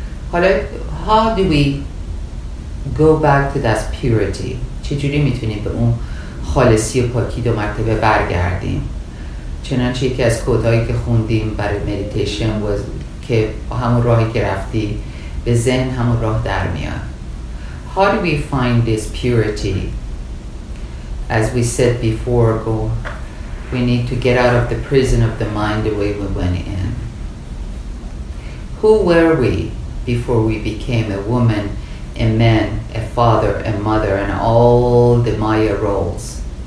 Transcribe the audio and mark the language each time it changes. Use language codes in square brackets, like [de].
[en] How do we go back to that purity? [fa] چجوری میتونیم به اون خالصی و پاکی دو مرتبه برگردیم؟ چنانچه یکی از کدهایی که خوندیم برای مدیتیشن و که همون راهی که رفتی به ذهن همون راه در میاد. [en] How do we find this purity? As we said before, we need to get out of the prison of the mind the way we went in. Who were we before we became a woman, a man, a father, a mother, and all the Maya roles?